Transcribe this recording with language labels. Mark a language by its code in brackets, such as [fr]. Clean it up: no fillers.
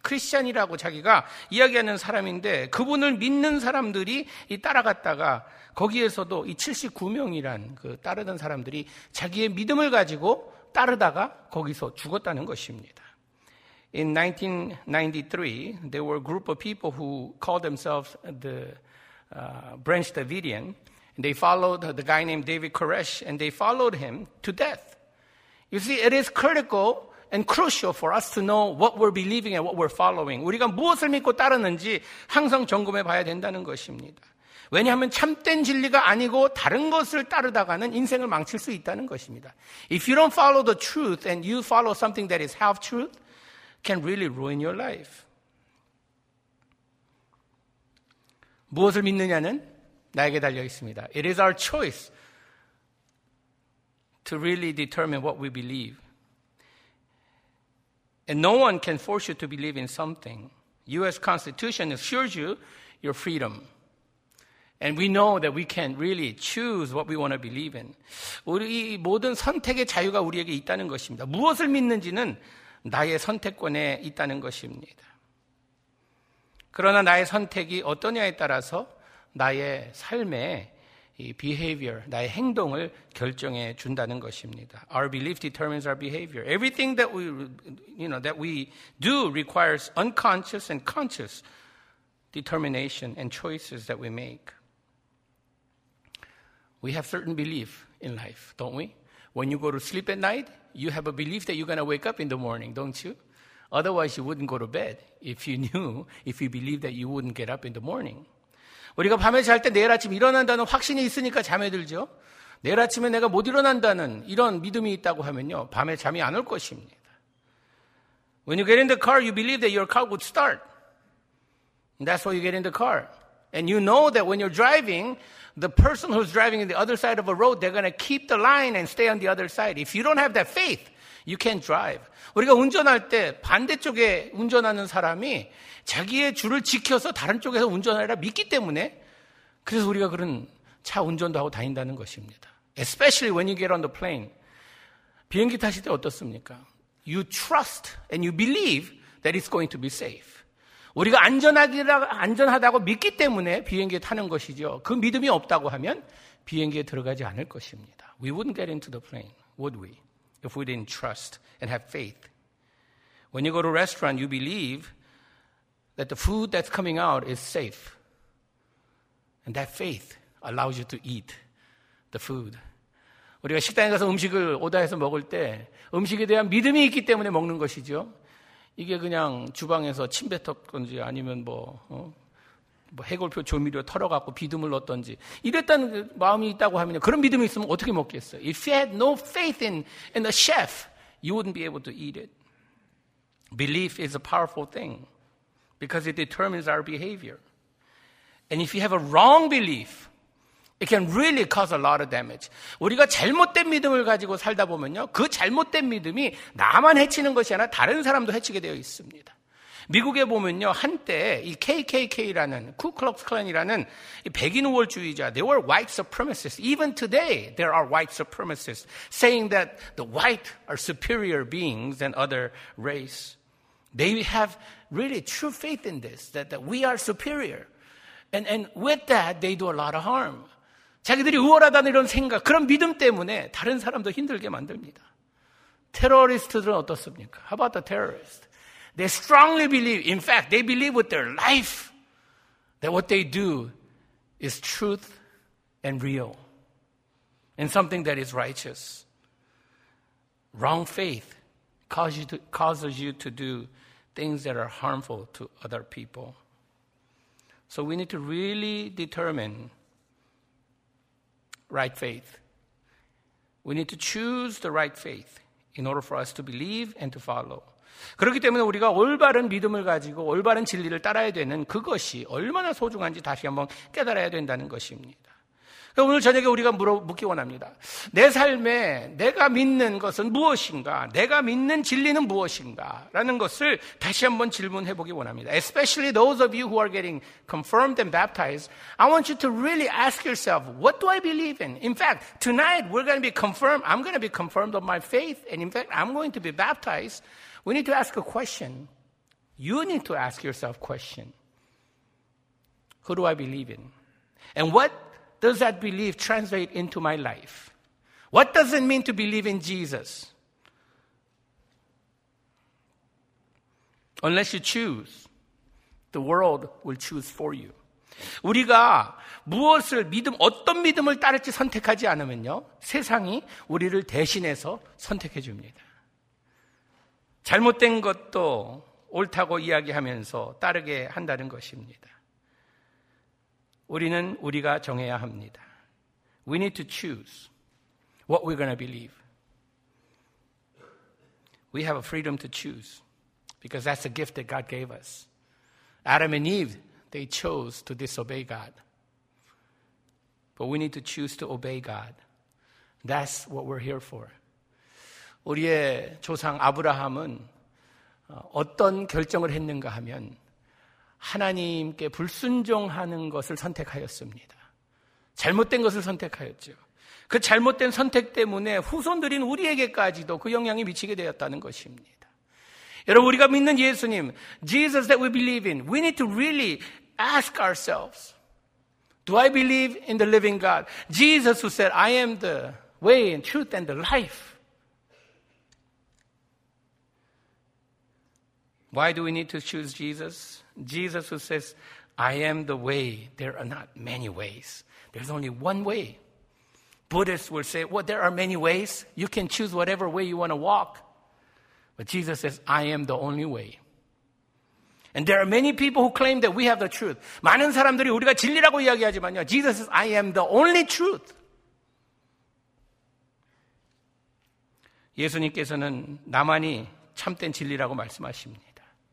[ko] 크리스찬이라고 자기가 이야기하는 사람인데 그분을 믿는 사람들이 따라갔다가 거기에서도 이 79명이란 그 따르던 사람들이 자기의 믿음을 가지고 따르다가 거기서 죽었다는 것입니다. [en] In 1993, there were a group of people who called themselves the Branch Davidian. And they followed the guy named David Koresh, and they followed him to death. You see, it is critical and crucial for us to know what we're believing and what we're following. [ko] 우리가 무엇을 믿고 따르는지 항상 점검해 봐야 된다는 것입니다. 왜냐하면 참된 진리가 아니고 다른 것을 따르다가는 인생을 망칠 수 있다는 것입니다. [en] If you don't follow the truth and you follow something that is half-truth, can really ruin your life. [ko] 무엇을 믿느냐는 나에게 달려 있습니다. [en] It is our choice to really determine what we believe. And no one can force you to believe in something. U.S. Constitution assures you your freedom. And we know that we can really choose what we want to believe in. [ko] 우리 모든 선택의 자유가 우리에게 있다는 것입니다. 무엇을 믿는지는 나의 선택권에 있다는 것입니다. 그러나 나의 선택이 어떠냐에 따라서 나의 삶에 이 behavior, 나의 행동을 결정해 준다는 것입니다. [en] Our belief determines our behavior. Everything that we, you know, that we do requires unconscious and conscious determination and choices that we make. We have certain belief in life, don't we? When you go to sleep at night, you have a belief that you're going to wake up in the morning, don't you? Otherwise, you wouldn't go to bed if you knew, if you believed that you wouldn't get up in the morning. [ko] 우리가 밤에 잘 때 내일 아침 일어난다는 확신이 있으니까 잠에 들죠. 내일 아침에 내가 못 일어난다는 이런 믿음이 있다고 하면요. 밤에 잠이 안 올 것입니다. [en] When you get in the car, you believe that your car would start. That's why you get in the car. And you know that when you're driving, the person who's driving in the other side of a road, they're going to keep the line and stay on the other side. If you don't have that faith, you can't drive. [ko] 우리가 운전할 때 반대쪽에 운전하는 사람이 자기의 줄을 지켜서 다른 쪽에서 운전하라 믿기 때문에 그래서 우리가 그런 차 운전도 하고 다닌다는 것입니다. [en] Especially when you get on the plane. [ko] 비행기 타실 때 어떻습니까? [en] You trust and you believe that it's going to be safe. [ko] 우리가 안전하다고 믿기 때문에 비행기에 타는 것이죠. 그 믿음이 없다고 하면 비행기에 들어가지 않을 것입니다. [en] We wouldn't get into the plane, would we? If we didn't trust and have faith. When you go to a restaurant, you believe that the food that's coming out is safe. And that faith allows you to eat the food. [ko] 우리가 식당에 가서 음식을 오다해서 먹을 때 음식에 대한 믿음이 있기 때문에 먹는 것이죠. 이게 그냥 주방에서 침 뱉었던지 아니면 뭐 해골표 조미료 털어갖고 비듬을 넣었던지 이랬다는 마음이 있다고 하면 그런 믿음이 있으면 어떻게 먹겠어요? [en] If you had no faith in the chef, you wouldn't be able to eat it. Belief is a powerful thing because it determines our behavior. And if you have a wrong belief, it can really cause a lot of damage. [ko] 우리가 잘못된 믿음을 가지고 살다 보면요, 그 잘못된 믿음이 나만 해치는 것이 아니라 다른 사람도 해치게 되어 있습니다. 미국에 보면요, 한때 이 KKK라는 쿠클럭스클랜이라는 백인 우월주의자, [en] they were white supremacists. Even today, there are white supremacists saying that the white are superior beings than other race. They have really true faith in this, that we are superior. And with that, they do a lot of harm. [ko] 자기들이 우월하다는 이런 생각, 그런 믿음 때문에 다른 사람도 힘들게 만듭니다. 테러리스트들은 어떻습니까? [en] How about the terrorists? They strongly believe, in fact, they believe with their life that what they do is truth and real and something that is righteous. Wrong faith causes you to do things that are harmful to other people. So we need to really determine right faith. We need to choose the right faith in order for us to believe and to follow. [ko] 그렇기 때문에 우리가 올바른 믿음을 가지고 올바른 진리를 따라야 되는 그것이 얼마나 소중한지 다시 한번 깨달아야 된다는 것입니다. 오늘 저녁에 우리가 묻기 원합니다. 내 삶에 내가 믿는 것은 무엇인가? 내가 믿는 진리는 무엇인가? 라는 것을 다시 한번 질문해 보기 원합니다. [en] Especially those of you who are getting confirmed and baptized, I want you to really ask yourself, what do I believe in? In fact, tonight we're going to be confirmed. I'm going to be confirmed of my faith. And in fact, I'm going to be baptized. We need to ask a question. You need to ask yourself a question. Who do I believe in? And what does that belief translate into my life? What does it mean to believe in Jesus? Unless you choose, the world will choose for you. [ko] 우리가 무엇을 믿음, 어떤 믿음을 따를지 선택하지 않으면요, 세상이 우리를 대신해서 선택해 줍니다. 잘못된 것도 옳다고 이야기하면서 따르게 한다는 것입니다. 우리는 우리가 정해야 합니다. [en] We need to choose what we're going to believe. We have a freedom to choose because that's a gift that God gave us. Adam and Eve, they chose to disobey God. But we need to choose to obey God. That's what we're here for. [ko] 우리의 조상 아브라함은 어떤 결정을 했는가 하면 하나님께 불순종하는 것을 선택하였습니다. 잘못된 것을 선택하였죠. 그 잘못된 선택 때문에 후손들인 우리에게까지도 그 영향이 미치게 되었다는 것입니다. 여러분, 우리가 믿는 예수님, [en] Jesus that we believe in, we need to really ask ourselves, Do I believe in the living God? Jesus who said, I am the way and truth and the life. Why do we need to choose Jesus? Jesus who says, I am the way. There are not many ways. There's only one way. Buddhists will say, well, there are many ways. You can choose whatever way you want to walk. But Jesus says, I am the only way. And there are many people who claim that we have the truth. [ko] 많은 사람들이 우리가 진리라고 이야기하지만요. [en] Jesus says, I am the only truth. [ko] 예수님께서는 나만이 참된 진리라고 말씀하십니다.